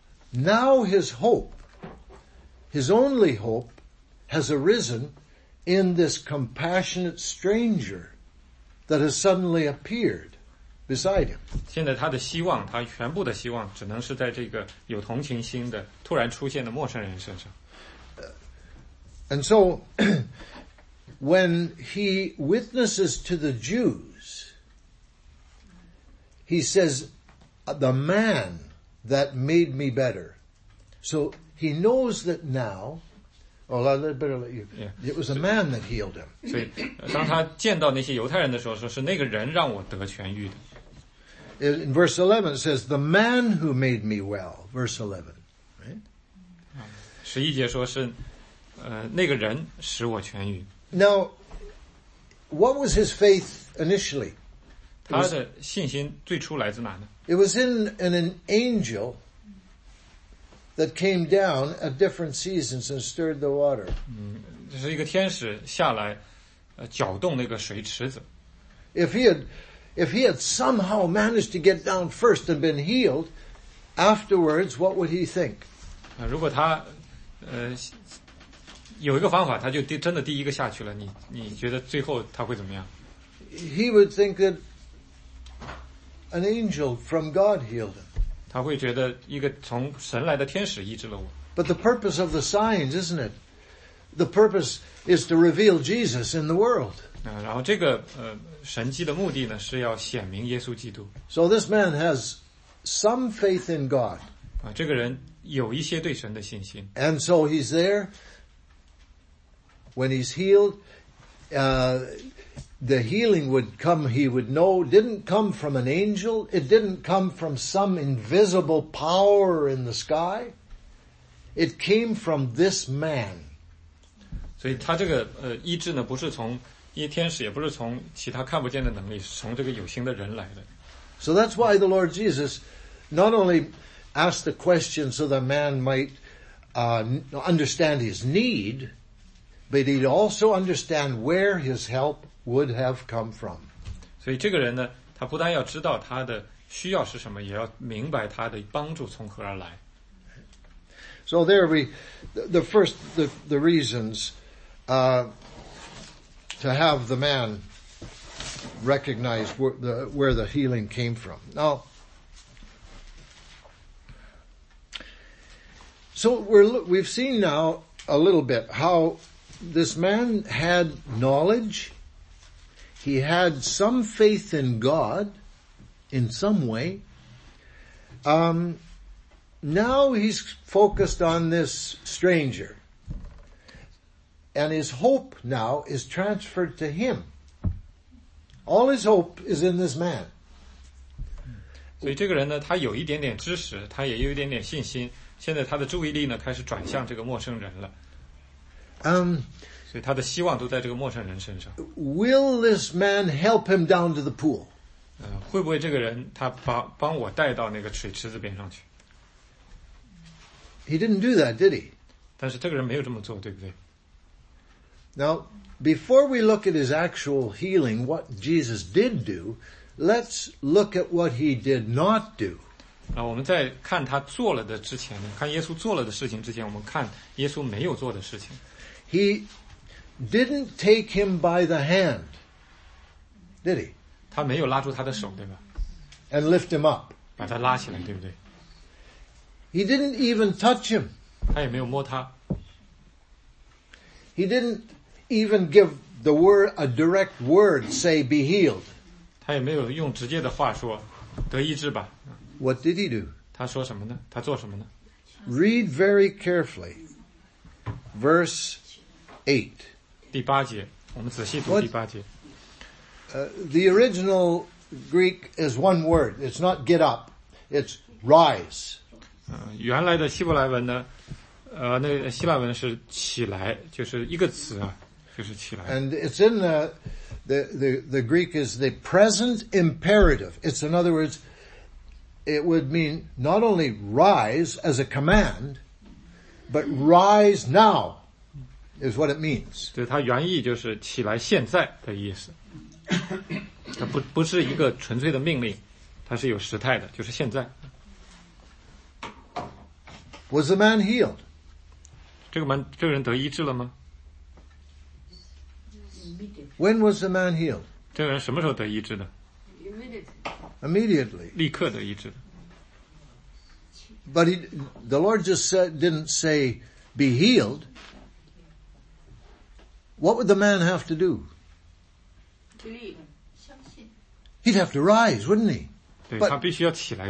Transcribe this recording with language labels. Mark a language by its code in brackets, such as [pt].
[en] Now his hope, his only hope, has arisen in this compassionate stranger that has suddenly appeared beside him. [zh] 现在他的希望，他全部的希望，只能是在这个有同情心的突然出现的陌生人身上。 [en] And so when he witnesses to the Jews, he says, the man that made me better. So he knows that now, well, I better let you, yeah. It was a man that healed him. [zh] 所以当他见到那些犹太人的时候，说是那个人让我得痊愈的。 [en] In verse 11 it says, the man who made me well, verse 11. Right? [zh] 十一节说是那个人使我痊愈。 [en] Now, what was his faith initially? [zh] 他的信心最初来自哪呢？ [en] It was in an angel that came down at different seasons and stirred the water. [zh] 这是一个天使下来搅动那个水池子。 [en] If he had somehow managed to get down first and been healed, afterwards, what would he think? [zh] 如果他有一个方法，他就真的第一个下去了，你觉得最后他会怎么样？ [en] He would think that an angel from God healed him. [zh] 他会觉得一个从神来的天使医治了我。 [en] But the purpose of the signs, isn't it? The purpose is to reveal Jesus in the world. [zh] 然后这个神迹的目的呢，是要显明耶稣基督。 [en] So this man has some faith in God. [zh] 这个人有一些对神的信心。 [en] And so he's there. When he's healed, the healing would come, he would know, didn't come from an angel, it didn't come from some invisible power in the sky. It came from this man. [zh] 所以他这个医治呢，不是从一天使，也不是从其他看不见的能力，从这个有形的人来的。 [en] So that's why the Lord Jesus not only asked the question so the man might understand his need, but he'd also understand where his help would have come from. [zh] 所以这个人呢，他不但要知道他的需要是什么，也要明白他的帮助从何而来。 [en] So there we, the first reasons, to have the man recognize where the healing came from. Now, so we've seen now a little bit how this man had knowledge. He had some faith in God in some way. Now he's focused on this stranger. And his hope now is transferred to him. All his hope is in this man. [zh] 所以这个人呢，他有一点点知识，他也有一点点信心。现在他的注意力呢，开始转向这个陌生人了。所以他的希望都在这个陌生人身上。 [en] Will this man help him down to the pool? [zh] 会不会这个人他帮我带到那个水池子边上去？ [en] He didn't do that, did he? [zh] 但是这个人没有这么做，对不对？ [en] Now, before we look at his actual healing, what Jesus did do, let's look at what he did not do. [zh] 我们在看他做了的之前，看耶稣做了的事情之前，我们看耶稣没有做的事情。 [en] He didn't take him by the hand, did he? [zh] 他没有拉住他的手，对吧？ [en] And lift him up. [zh] 把他拉起来，对不对？ [en] He didn't even touch him. [zh] 他也没有摸他。 [en] He didn't even give the word a direct word, say, be healed. [zh] 他也没有用直接的话说，得医治吧。 [en] What did he do? [zh] 他说什么呢？他做什么呢？ [en] Read very carefully. Verse 8. [zh] 第八节，我们仔细读第八节。 [en] The original Greek is one word. It's not get up. It's rise. [zh] 原来的希伯来文呢，那希腊文是起来，就是一个词啊，就是起来。 [en] And it's in the Greek is the present imperative. It's in other words, it would mean not only rise as a command, but rise now is what it means. [zh] 对，它原意就是起来现在的意思。它不是一个纯粹的命令，它是有时态的，就是现在。 [en] Was the man healed? [zh] 这个人得医治了吗？ [en] When was the man healed? [zh] 这个人什么时候得医治的？ [en] Immediately. [zh] 立刻得医治。 [en] But the Lord just said, didn't say, be healed. What would the man have to do? Believe. He'd have to rise, wouldn't he? [zh] 对, but 他必须要起来,